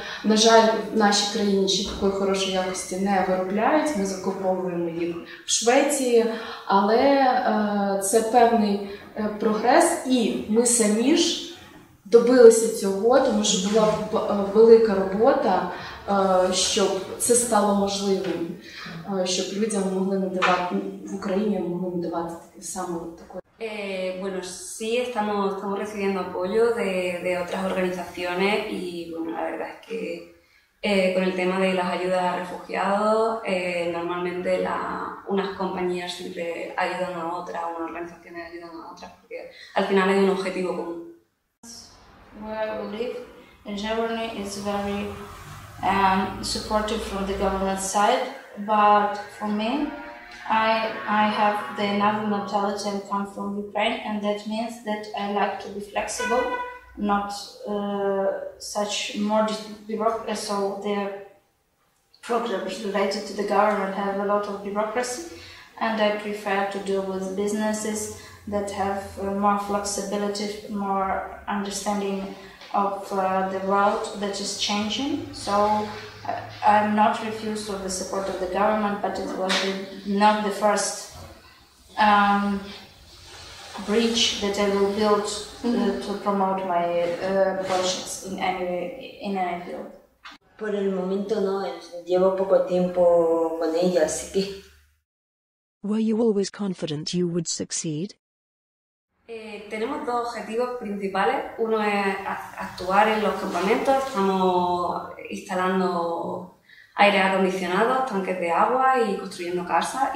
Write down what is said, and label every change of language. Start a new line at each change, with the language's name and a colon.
Ukrainian: На жаль, в нашій країні ще такої хорошої якості не виробляють. Ми закуповуємо їх в Швеції, але це певний прогрес, і ми самі ж добилися цього, тому що була велика робота, щоб це стало можливим, щоб людям могли надавати в Україні могли надавати таке саме таке.
Spanish: Bueno, sí, estamos recibiendo apoyo de otras organizaciones y bueno, la verdad es que con el tema de las ayudas a refugiados, normalmente unas compañías siempre ayudan a otras, unas organizaciones ayudan a otras, porque al final hay un objetivo común.
English: Where we live in Germany is very supportive from the government side, but for me, I have the Navi mentality and come from Ukraine, and that means that I like to be flexible, not such more bureaucracy. So the programs related to the government have a lot of bureaucracy, and I prefer to deal with businesses that have more flexibility, more understanding of the world that is changing. So I'm not refused of the support of the government, but it was not the first bridge that I will build to promote my projects in any field.
Spanish: Por el momento no, llevo poco tiempo con ella, así que.
English: Were you always confident you would succeed?
Spanish: Tenemos dos objetivos principales. Uno es actuar en los campamentos. Estamos instalando aire acondicionado, tanques de agua y construyendo casas.